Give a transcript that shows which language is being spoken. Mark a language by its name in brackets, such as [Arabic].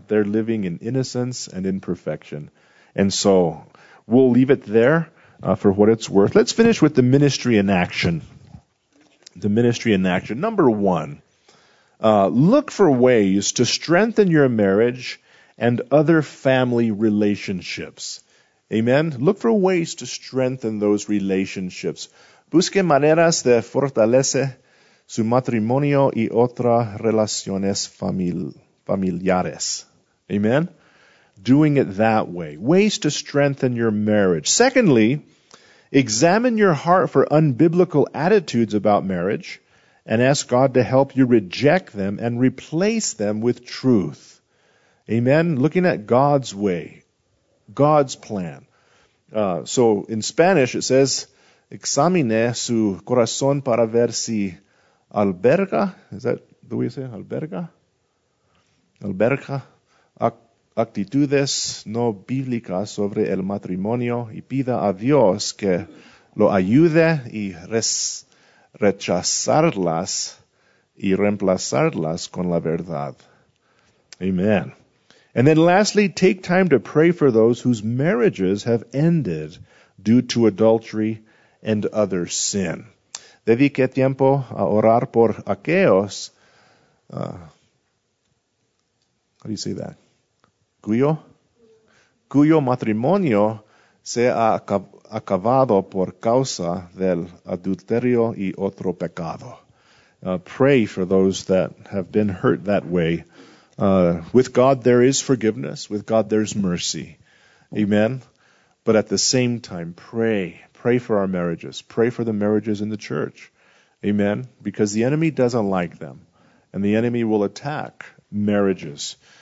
[English] They're living in innocence and in perfection. And so we'll leave it there for what it's worth. Let's finish with the ministry in action. The ministry in action. Number one, look for ways to strengthen your marriage and other family relationships. Amen? Look for ways to strengthen those relationships. [Spanish] Busque maneras de fortalecer su matrimonio y otras relaciones familiares. [English] Amen? Doing it that way. Ways to strengthen your marriage. Secondly, examine your heart for unbiblical attitudes about marriage and ask God to help you reject them and replace them with truth. Amen? Looking at God's way, God's plan. So in Spanish it says, [Spanish] examine su corazón para ver si alberga, [English] is that the way you say it? [Spanish] Alberga? Alberga actitudes no bíblicas sobre el matrimonio y pida a Dios que lo ayude y rechazarlas y reemplazarlas con la verdad. [English] Amen. And then lastly, take time to pray for those whose marriages have ended due to adultery and other sin. [Spanish] Dedique tiempo a orar por aquellos. [English] How do you say that? [Spanish] Cuyo matrimonio se ha acabado por causa del adulterio y otro pecado. [English] Pray for those that have been hurt that way. With God there is forgiveness. With God there is mercy. Amen. But at the same time, pray. Pray for our marriages. Pray for the marriages in the church. Amen. Because the enemy doesn't like them. And the enemy will attack marriages.